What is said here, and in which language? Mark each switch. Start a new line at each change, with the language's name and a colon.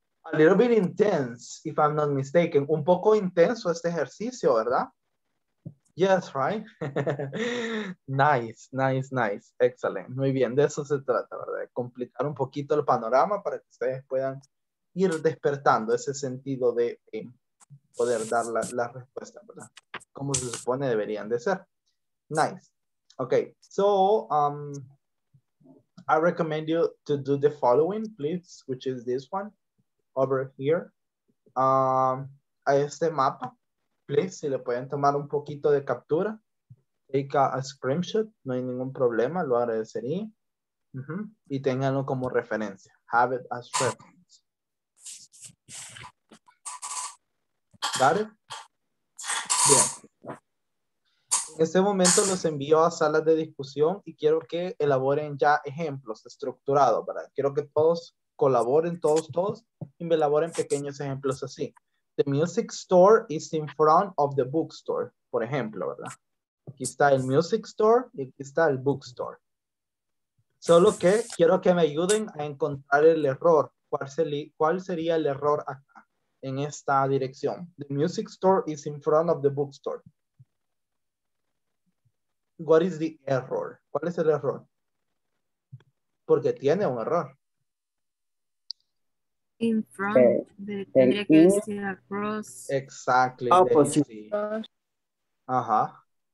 English: A little bit intense, if I'm not mistaken.
Spanish: Un poco intenso este ejercicio, ¿verdad?
English: Yes, right. Nice, nice, nice. Excellent.
Spanish: Muy bien, de eso se trata, ¿verdad? De completar un poquito el panorama para que ustedes puedan ir despertando ese sentido de poder dar la respuesta, ¿verdad? Como se supone deberían de ser. Nice.
English: Okay, so I recommend you to do the following, please, which is this one over here.
Spanish: A este mapa, please, si le pueden tomar un poquito de captura,
English: take a screenshot,
Spanish: no hay ningún problema, lo agradecería. Mm-hmm. Y ténganlo como referencia.
English: Have it as reference. Got it? Bien.
Spanish: En este momento los envío a salas de discusión y quiero que elaboren ya ejemplos estructurados, ¿verdad? Quiero que todos colaboren, todos, y me elaboren pequeños ejemplos así.
English: The music store is in front of the bookstore,
Spanish: por ejemplo, ¿verdad? Aquí está el music store y aquí está el bookstore. Solo que quiero que me ayuden a encontrar el error. ¿Cuál sería el error acá en esta dirección?
English: The music store is in front of the bookstore. What is the error?
Spanish: ¿Cuál es el error? Porque tiene un error. In front, tendría que decir across.
English: Exactly, opposite. Daisy. Ajá.